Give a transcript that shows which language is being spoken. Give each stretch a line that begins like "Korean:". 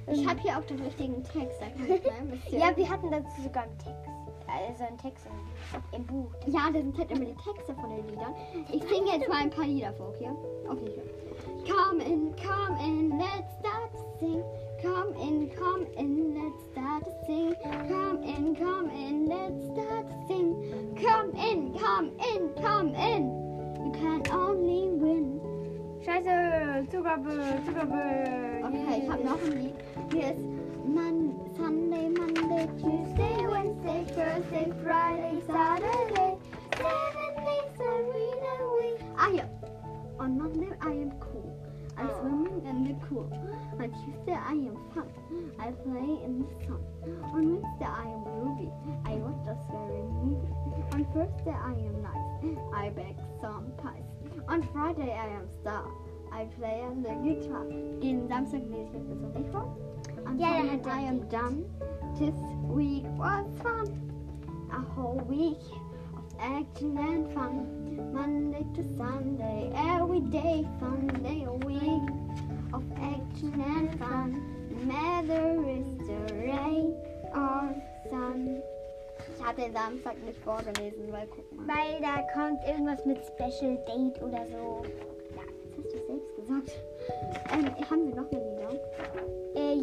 German: ich habe hier auch den richtigen Text. Ja, wir hatten dazu sogar einen Text. also ein Text im Buch. Ja, das sind halt immer die Texte von den Liedern. Ich bringe jetzt mal ein paar Lieder vor, okay? Okay, ja.
English: Come in, let's start to sing. Come in, let's start to sing. Come in, let's start to sing. Come in. You can only win.
German: Scheiße, Zugabe. Okay, ich hab noch ein Lied. Hier ist Sunday,
English: Tuesday, Wednesday, Thursday, Friday, Saturday. 7 days a week. Ah, yeah. On Monday, I am cool. I'm swimming in the pool. On Tuesday I am fun. I play in the sun. On Wednesday I am groovy. I watch a scary movie. On Thursday I am nice. I bake some pies. On Friday I am star. I play on the guitar.
German: Gehen Samstag lese ich das nicht vor.
English: On Sunday I am dumb. This week was fun. A whole week of action and fun. Monday to Sunday, every day, fun day a week of action and fun. Matter is the rain or sun.
German: Ich hatte den Samstag nicht vorgelesen, weil guck mal. Weil da kommt irgendwas mit Special Date oder so. Ja, das hast du selbst gesagt. Haben wir noch eine Lieder?